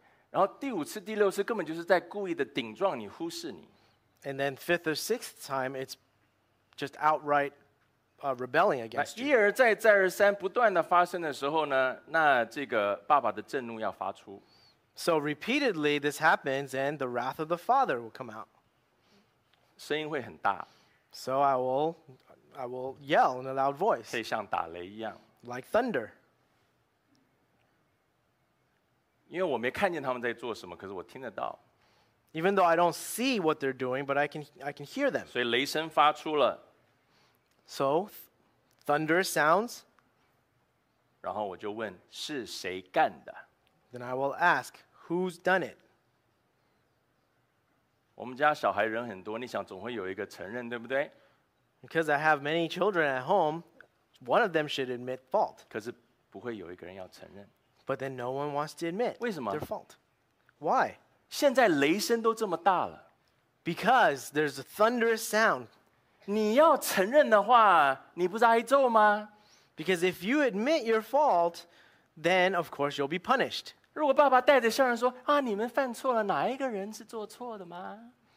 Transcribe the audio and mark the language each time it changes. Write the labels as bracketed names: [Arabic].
[Chinese] 然后第五次、第六次根本就是在故意的顶撞你、忽视你。 [English] And then fifth or sixth time, it's just outright rebelling against you. [Chinese] 一而再再而三 不断地发生的时候呢, 那这个爸爸的震怒要发出。 [English] So repeatedly this happens and the wrath of the father will come out. [Chinese] 声音会很大。 [English] So I will yell in a loud voice. [Chinese] 可以像打雷一样。 [English] Like thunder. [Chinese] 因为我没看见他们在做什么，可是我听得到。 [English] Even though I don't see what they're doing, but I can hear them. [Chinese] 所以雷声发出了。 [English] So thunder sounds. [Chinese] 然后我就问是谁干的。 [English] Then I will ask, who's done it? [Chinese] 我们家小孩人很多，你想总会有一个承认，对不对？ [English] Because I have many children at home, one of them should admit fault. [Chinese] 可是不会有一个人要承认。 [English] But then no one wants to admit [Chinese] 为什么? [English] Their fault. Why? [Chinese] 现在雷声都这么大了。 [English] Because there's a thunderous sound. [Chinese] 你要承认的话，你不是挨揍吗？ [English] Because if you admit your fault, then of course you'll be punished. [Chinese] 如果爸爸带着笑容说，啊，你们犯错了，哪一个人是做错的吗？